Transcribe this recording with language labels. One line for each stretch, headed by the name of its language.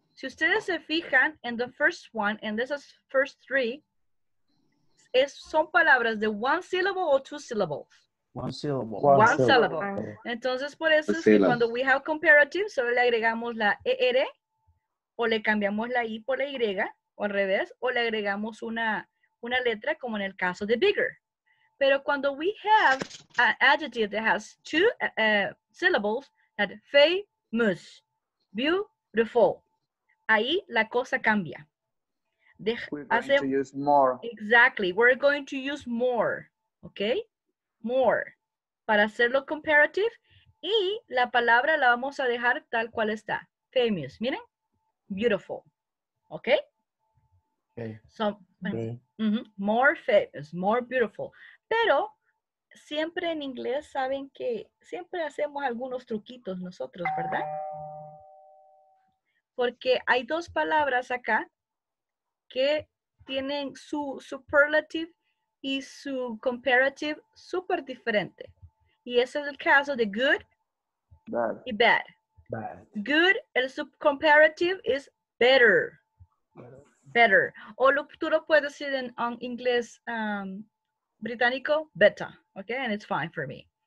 Spanish: Si ustedes se fijan en
English: the first one, and this is first three,
Spanish: son palabras de
English: one syllable or two syllables? One syllable.
Spanish: Entonces, por eso es que cuando
English: we have comparative,
Spanish: solo le agregamos la ER, o le cambiamos la I por la Y, o al revés, o le agregamos una letra, como en el caso de bigger. Pero cuando we have an adjective that has two syllables, that famous, beautiful, ahí la cosa cambia.
English: We're going to use more. Exactly. We're going to use more. Okay? More.
Spanish: Para hacerlo comparative. Y la palabra la vamos a dejar tal cual está.
English: Famous. Miren. Beautiful. Okay? Okay. So, more famous, more beautiful.
Spanish: Pero siempre en inglés saben que siempre hacemos algunos truquitos nosotros, ¿verdad? Porque hay dos palabras acá que tienen su superlative y su comparative súper diferente. Y ese es el caso de good
English: bad.
Spanish: Y bad.
English: Bad. Good, el subcomparative is better. Better.
Spanish: O lo, tú lo puedes decir en inglés...
English: Británico, better, okay, and it's fine for me.